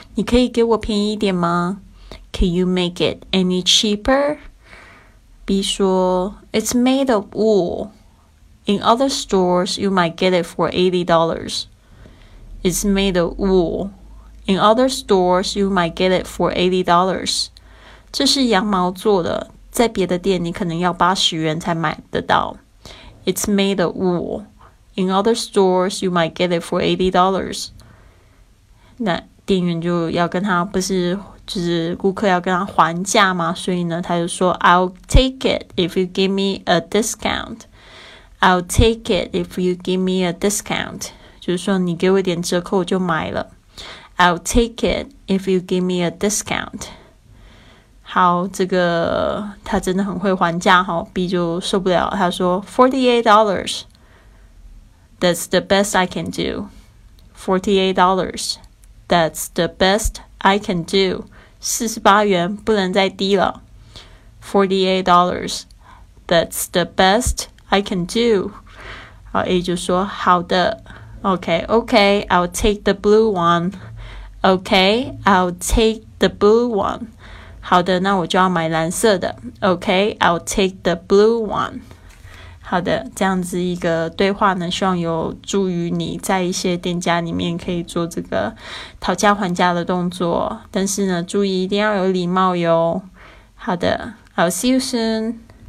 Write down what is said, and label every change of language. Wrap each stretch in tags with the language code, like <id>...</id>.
<zh>你可以给我便宜一点吗？</zh> <en>Can you make it any cheaper？” B 说：“It's made of wool. In other stores, you might get it for $80. It's made of wool. In other stores, you might get it for $80.”</en> <zh>这是羊毛做的，在别的店你可能要80元才买得到。</zh> <en>It's made of wool. In other stores, you might get it for $80.</en> <zh>那店员就要跟他不是。就是顾客要跟他还价嘛，所以呢，他就说</zh> <en>"I'll take it if you give me a discount." "I'll take it if you give me a discount."</en> <zh>就是说你给我点折扣我就买了。</zh> <en>"I'll take it if you give me a discount."</en> <zh>好，这个他真的很会还价哈，B 就受不了，他说 "$48.</zh> <en>That's the best I can do. $48. That's the best I can do."</en> <zh>48元不能再低了，$</zh> <en>48. That's the best I can do.</en> <zh>然后 A 就说好的，</zh> <en>OK, I'll take the blue one. OK, I'll take the blue one.</en> <zh>好的，那我就要买蓝色的。</zh> <en>OK, I'll take the blue one.</en> <zh>好的，这样子一个对话呢，希望有助于你在一些店家里面可以做这个讨价还价的动作，但是呢，注意一定要有礼貌哟。好的，</zh> <en>I'll see you soon.</en>